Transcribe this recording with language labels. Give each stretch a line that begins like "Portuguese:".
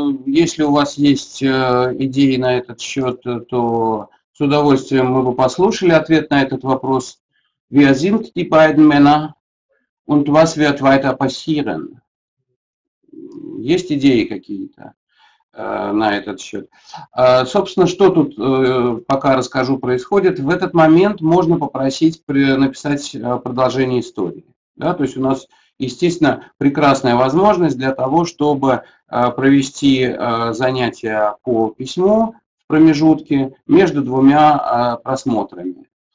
Russian: Если у вас есть идеи на этот счет, то с удовольствием мы бы послушали ответ на этот вопрос.
German: Wir sind die beiden Männer und was wird weiter passieren?
Russian: Есть идеи какие-то на этот счет? Собственно, что тут, пока расскажу, происходит. В этот момент можно попросить написать продолжение истории. Да? То есть у нас, естественно, прекрасная возможность для того, чтобы провести занятия по письму в промежутке между двумя просмотрами.